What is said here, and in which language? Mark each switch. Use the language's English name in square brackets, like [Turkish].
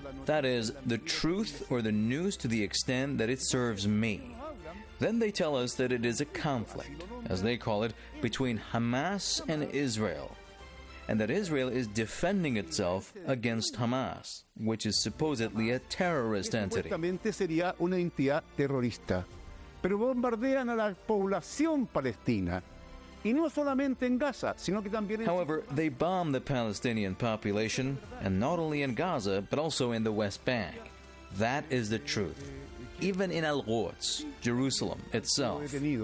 [English] That is, the truth or the news to the extent that it serves me. Then they tell us that it is a conflict, as they call it, between Hamas and Israel, and that Israel is defending itself against Hamas, which is supposedly a terrorist entity. [Spanish] Sería una entidad terrorista, pero bombardean a la población palestina. [English] However, they bomb the Palestinian population, and not only in Gaza, but also in the West Bank. That is the truth. Even in Al-Quds, Jerusalem itself.